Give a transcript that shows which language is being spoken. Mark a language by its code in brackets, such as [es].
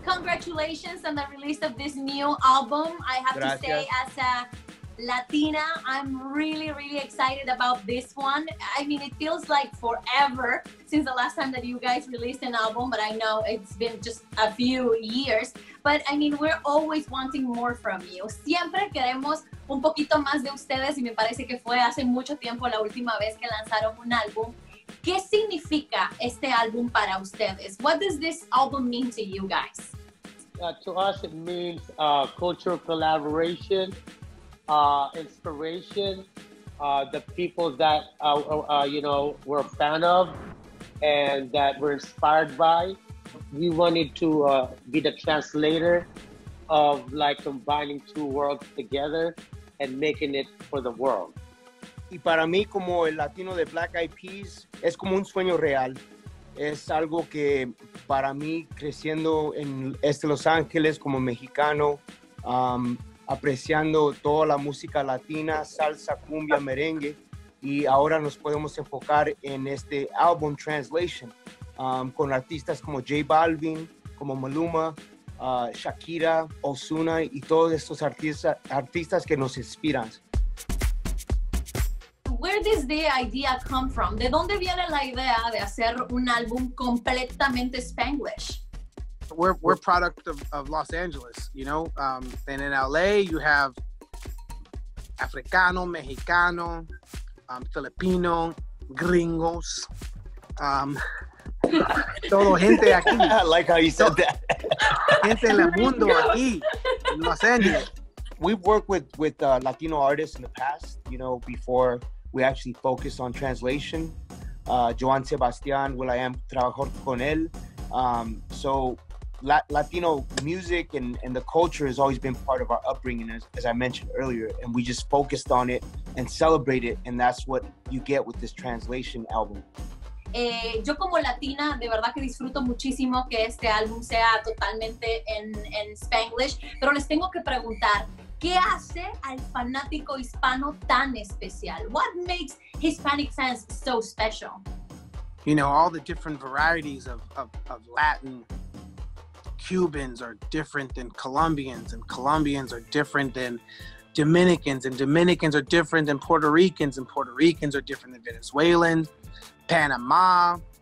[en] Congratulations on the release of this new album. I have Gracias. To say, as a Latina, I'm really, really excited about this one. I mean, it feels like forever since the last time that you guys released an album, but I know it's been just a few years. But I mean, we're always wanting more from you. [es] Siempre queremos un poquito más de ustedes, y me parece que fue hace mucho tiempo la última vez que lanzaron un álbum. ¿Qué significa este álbum para ustedes? [en] What does this album mean to you guys? To us, it means cultural collaboration, inspiration, the people that you know, we're a fan of and that we're inspired by. We wanted to be the translator of, like, combining two worlds together and making it for the world. [es] Y para mí, como el latino de Black Eyed Peas, es como un sueño real. Es algo que para mí, creciendo en este Los Ángeles como mexicano, apreciando toda la música latina, salsa, cumbia, merengue, y ahora nos podemos enfocar en este album translation con artistas como J Balvin, como Maluma, Shakira, Ozuna, y todos estos artistas que nos inspiran. [en] Where does the idea come from? [es] ¿De dónde viene la idea de hacer un álbum completamente Spanglish? [en] We're product of Los Angeles, you know? And in LA, you have [es] Africano, Mexicano, Filipino, gringos. todo gente aquí. [en] I like how you said that. [es] Gente en el mundo aquí, en Los Angeles. [en] We've worked with Latino artists in the past, you know, before we actually focus on translation. [es] Joan Sebastian, Will I Am, trabajó con él. [en] So Latino music and the culture has always been part of our upbringing, as I mentioned earlier, and we just focused on it and celebrate it, and that's what you get with this translation album. [es] Yo como latina, de verdad que disfruto muchísimo que este álbum sea totalmente en Spanglish, pero les tengo que preguntar, ¿qué hace al fanático hispano tan especial? [en] What makes Hispanic fans so special? You know, all the different varieties of Latin. Cubans are different than Colombians, and Colombians are different than Dominicans, and Dominicans are different than Puerto Ricans, and Puerto Ricans are different than Venezuelans, Panama.